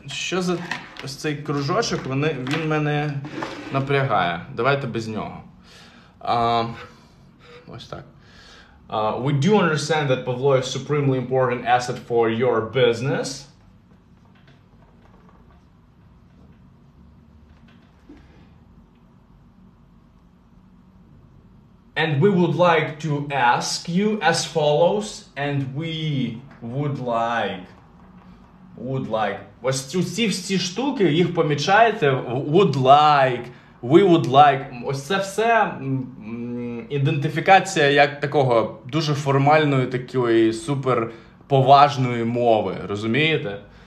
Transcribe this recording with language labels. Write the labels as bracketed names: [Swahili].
[Ukrainian] Що за ось цей кружочок, він мене напрягає. Давайте без нього. Ось так. [English] We do understand that Pavlo is supremely important asset for your business. And we would like to ask you as follows, and we would like. [Ukrainian] Ось ці штуки, їх помічаєте? [English] Would like, we would like. [Ukrainian] Ось це все ідентифікація як такого дуже формальної, такої супер поважної мови, розумієте?